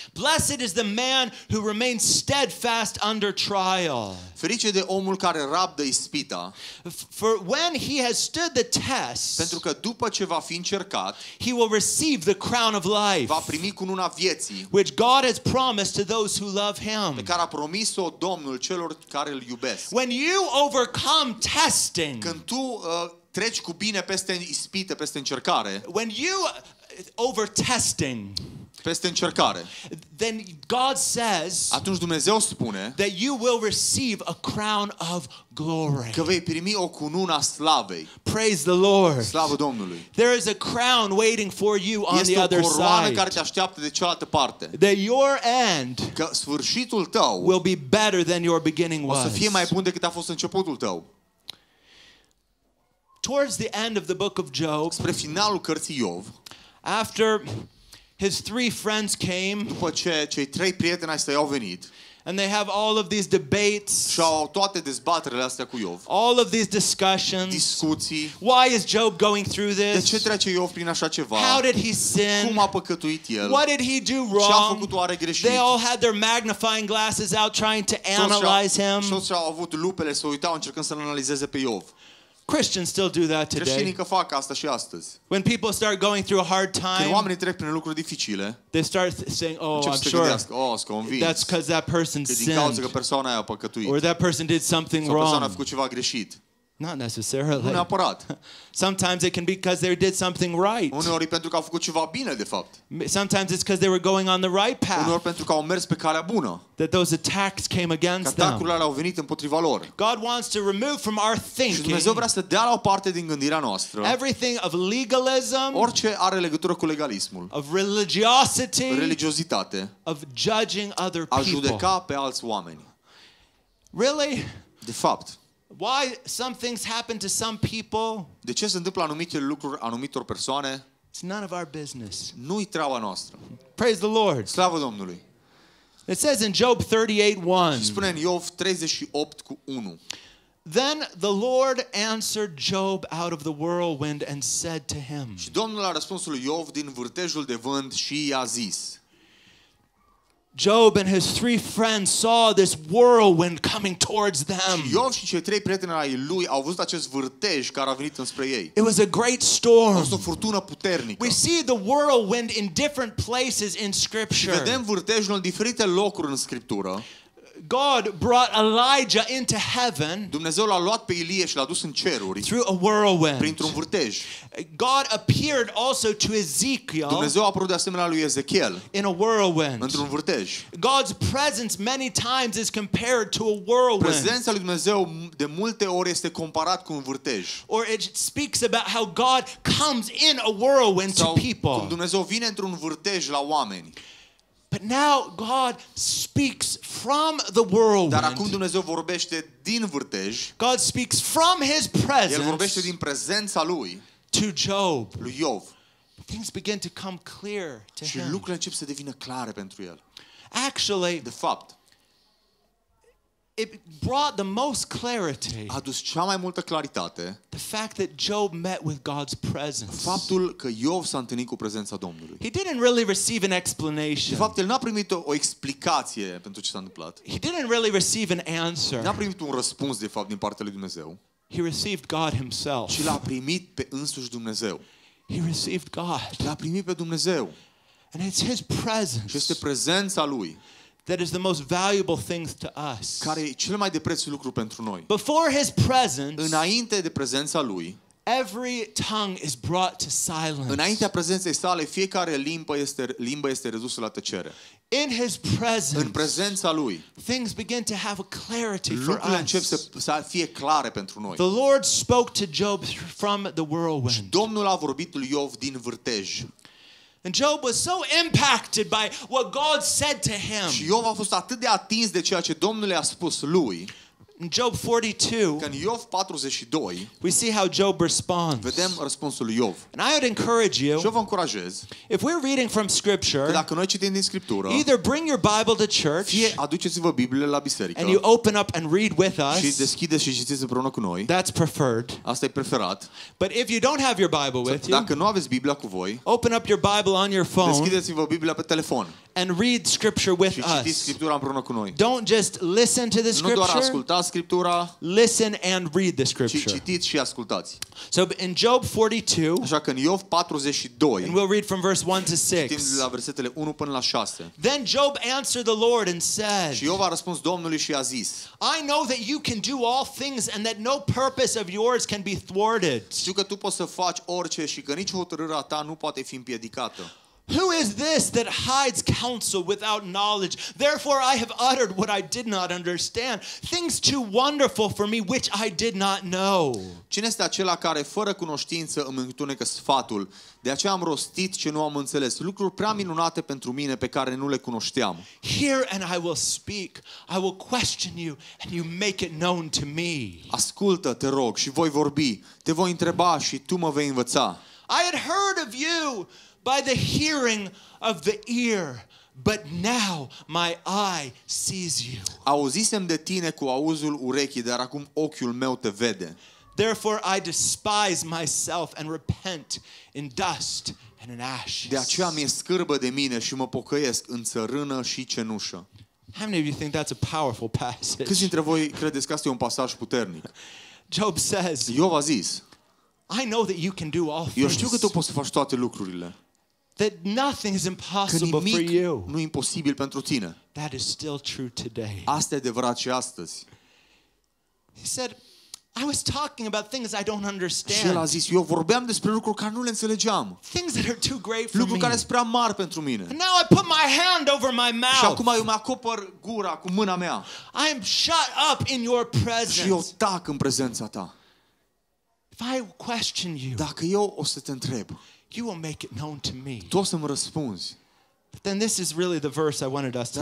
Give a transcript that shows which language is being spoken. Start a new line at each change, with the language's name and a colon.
English: Blessed is the man who remains steadfast under trial.
Romanian: Ferice de omul care răbdă ispita.
English: For when he has stood the test,
Romanian: pentru că după ce va fi încercat,
English: he will receive the crown of life.
Romanian: Va primi cununa vieții.
English: Which God has promised to those who love him.
Romanian: Pe care a promis-o Domnul celor care îl iubesc.
English: When you overcome testing,
Romanian: când tu treci cu bine peste ispită, peste încercare.
English: When you over testing,
Romanian: peste încercare.
English: Then God says,
Romanian: atunci Dumnezeu spune,
English: that you will receive a crown of glory.
Romanian: Că vei primi o cununa slavei.
English: Praise the Lord.
Romanian: Slavă Domnului.
English: There is a crown waiting for you on
Romanian: este
English: the other side.
Romanian: Este o coroană care te așteaptă de cealaltă parte.
English: That your end,
Romanian: că sfârșitul tău,
English: will be better than your beginning was.
Romanian: O să fie mai bun decât a fost începutul tău.
English: Towards the end of the book of Job,
Romanian: spre finalul cărții Iov,
English: after his three friends came,
Romanian: după ce cei trei prieteni ai săi au venit,
English: and they have all of these debates,
Romanian: și au toate dezbaterile astea cu Iov,
English: all of these discussions,
Romanian: discuții,
English: why is Job going through this?
Romanian: De ce trece Iov prin așa ceva?
English: How did he sin?
Romanian: Cum a păcătuit el?
English: What did he do wrong?
Romanian: Ce a făcut oare greșit?
English: They all had their magnifying glasses out trying to analyze him.
Romanian: Toți au avut lupele, s-au uitat încercând să-l analizeze pe Iov.
English: Christians still do that today.
Romanian: Creștinii că fac asta și astăzi.
English: When people start going through a hard time,
Romanian: când oamenii trec prin lucruri dificile,
English: they start saying, "Oh, I'm sure." That's because that person sinned.
Romanian: Din cauza că persoana aia a păcătuit.
English: Or that person did something wrong.
Romanian: Sau persoana a făcut ceva greșit.
English: Not necessarily.
Romanian: Nu neapărat.
English: Sometimes it can be because they did something right.
Romanian: Uneori pentru că au făcut ceva bine, de fapt.
English: Sometimes it's because they were going on the right path.
Romanian: Uneori pentru că au mers pe calea bună.
English: That those attacks came against them.
Romanian: Atacurile alea au venit împotriva lor.
English: God wants to remove from our thinking.
Romanian: Și Dumnezeu vrea să dea la o parte din gândirea noastră.
English: Everything of legalism.
Romanian: Orice are legătură cu legalismul.
English: Of religiosity.
Romanian: Religiozitate.
English: Of judging other people.
Romanian: A judeca pe alți oameni.
English: Really?
Romanian: De fapt.
English: Why some things happen to some people?
Romanian: De ce se întâmplă anumite lucruri anumitor persoane?
English: It's none of our business.
Romanian: Nu-i treaba noastră.
English: Praise the Lord.
Romanian: Slavă Domnului.
English: It says in Job 38:1.
Romanian: Spune în Iov 38:1.
English: Then the Lord answered Job out of the whirlwind and said to him.
Romanian: Și Domnul a răspuns lui Iov din vârtejul de vânt și i-a zis.
English: Job and his three friends saw this whirlwind coming towards them.
Romanian: Iov și cei trei prieteni ai lui au văzut acest vârtej care a venit înspre ei.
English: It was a great storm.
Romanian: O furtună puternică.
English: We see the whirlwind in different places in scripture.
Romanian: Vedem vârtejul în diferite locuri în scriptură.
English: God brought Elijah into heaven.
Romanian: Dumnezeu l-a luat pe Ilie și l-a dus în ceruri.
English: Through a whirlwind.
Romanian: Printr-un vârtej.
English: God appeared also to Ezekiel.
Romanian: Dumnezeu a apărut de asemenea lui Ezekiel.
English: In a whirlwind.
Romanian: Într-un vârtej.
English: God's presence many times is compared to a whirlwind.
Romanian: Prezența lui Dumnezeu de multe ori este comparat cu un vârtej.
English: Or it speaks about how God comes in a whirlwind to people.
Romanian: Sau cum Dumnezeu vine într-un vârtej la oameni.
English: But now God speaks from the whirlwind.
Romanian: Dar acum Dumnezeu vorbește din vârtej.
English: God speaks from his presence.
Romanian: El vorbește din prezența lui.
English: To Job.
Romanian: Lui Iov.
English: Things begin to come clear to him.
Romanian: Și lucrurile încep să devină clare pentru el.
English: Actually,
Romanian: de fapt,
English: it brought the most clarity.
Romanian: A adus cea mai multă claritate.
English: The fact that Job met with God's presence.
Romanian: Faptul că Iov s-a întâlnit cu prezența Domnului.
English: He didn't really receive an explanation.
Romanian: De fapt, el n-a primit o explicație pentru ce s-a întâmplat.
English: He didn't really receive an answer.
Romanian: N-a primit un răspuns, de fapt, din partea lui Dumnezeu.
English: He received God himself.
Romanian: Și l-a primit pe însuși Dumnezeu.
English: He received God.
Romanian: L-a primit pe Dumnezeu.
English: And it's his presence.
Romanian: Și este prezența lui.
English: That is the most valuable thing to us.
Romanian: Care e cel mai de preț lucru pentru noi.
English: Before his presence.
Romanian: Înainte de prezența lui.
English: Every tongue is brought to silence.
Romanian: Înaintea prezenței sale fiecare limbă este redusă la tăcere.
English: In his presence.
Romanian: În prezența lui.
English: Things begin to have a clarity for us.
Romanian: Lucrurile încep să fie clare pentru noi.
English: The Lord spoke to Job from the whirlwind.
Romanian: Domnul a vorbit lui Iov din vârtej.
English: And Job was so impacted by what God said to him.
Romanian: Și Iov a fost atât de atins de ceea ce Domnul i-a spus lui.
English: In Job 42.
Romanian: În Iov 42.
English: We see how Job responds.
Romanian: Vedem răspunsul lui Iov.
English: And I would encourage you.
Romanian: Și eu vă încurajez.
English: If we're reading from scripture.
Romanian: Că dacă noi citim din scriptură.
English: Either bring your Bible to church.
Romanian: Fie aduceți-vă Biblia la biserică.
English: And you open up and read with us.
Romanian: Și deschideți și citiți împreună cu noi.
English: That's preferred.
Romanian: Asta e preferat.
English: But if you don't have your Bible with you.
Romanian: Dacă nu aveți Biblia cu voi.
English: Open up your Bible on your phone.
Romanian: Deschideți-vă Biblia pe telefon.
English: And read scripture with us.
Romanian: Și citiți scriptura împreună cu noi.
English: Don't just listen to the scripture.
Romanian: Nu doar ascultați scriptura.
English: Listen and read the scripture.
Romanian: Citiți și ascultați.
English: So in Job 42.
Romanian: Așa că în Iov 42.
English: And we'll read from verse 1 to 6.
Romanian: Citim de la versetele 1 până la 6.
English: Then Job answered the Lord and said.
Romanian: Și Iov a răspuns Domnului și a zis.
English: I know that you can do all things and that no purpose of yours can be thwarted.
Romanian: Știu că tu poți să faci orice și că nicio hotărârea ta nu poate fi împiedicată.
English: Who is this that hides counsel without knowledge? Therefore I have uttered what I did not understand, things too wonderful for me which I did not know.
Romanian: Cine este acela care fără cunoștință îmi întunecă sfatul? De aceea am rostit ce nu am înțeles, lucruri prea minunate pentru mine pe care nu le cunoșteam.
English: Hear and I will speak. I will question you and you make it known to me.
Romanian: Ascultă, te rog, și voi vorbi, te voi întreba și tu mă vei învăța.
English: I had heard of you by the hearing of the ear, but now my eye sees you.
Romanian: Auzisem de tine cu auzul urechii, dar acum ochiul meu te vede.
English: Therefore I despise myself and repent in dust and in ashes.
Romanian: De aceea mi-e scârbă de mine și mă pocăiesc în țărână și cenușă.
English: How many of you think that's a powerful passage?
Romanian: Câți dintre voi credeți că asta e un pasaj puternic?
English: Job says.
Romanian: Iov a zis.
English: I know that you can do all things.
Romanian: Eu știu că tu poți să faci toate lucrurile.
English: That nothing is impossible for you.
Romanian: Nu e imposibil pentru tine.
English: That is still true today.
Romanian: Asta e adevărat și astăzi.
English: He said, I was talking about things I don't understand.
Romanian: Și el a zis, eu vorbeam despre lucruri care nu le înțelegeam.
English: Things that are too great for me.
Romanian: Lucruri care sunt prea mari pentru mine.
English: And now I put my hand over my mouth.
Romanian: Și acum eu mă acopăr gura cu mâna mea.
English: I am shut up in your presence.
Romanian: Și eu tac în prezența ta.
English: If I question you.
Romanian: Dacă eu o să te întreb.
English: You will make it known to me.
Romanian: Tu o să mă răspunzi.
English: But then this is really the verse I wanted us to